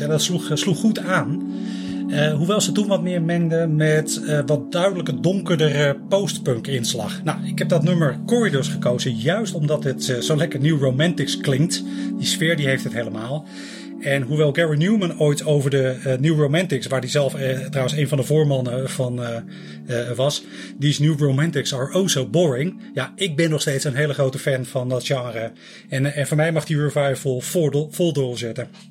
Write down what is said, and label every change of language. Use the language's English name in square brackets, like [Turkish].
[Dutch] En dat sloeg goed aan. Hoewel ze toen wat meer mengden met wat duidelijke donkerdere postpunk inslag. Nou, ik heb dat nummer Corridors gekozen. Juist omdat het zo lekker New Romantics klinkt. Die sfeer die heeft het helemaal. En hoewel Gary Numan ooit over de New Romantics, waar hij zelf trouwens een van de voormannen van was. [English] These New Romantics are oh so boring. [Dutch] Ja, ik ben nog steeds een hele grote fan van dat genre. En voor mij mag die revival vol doorzetten.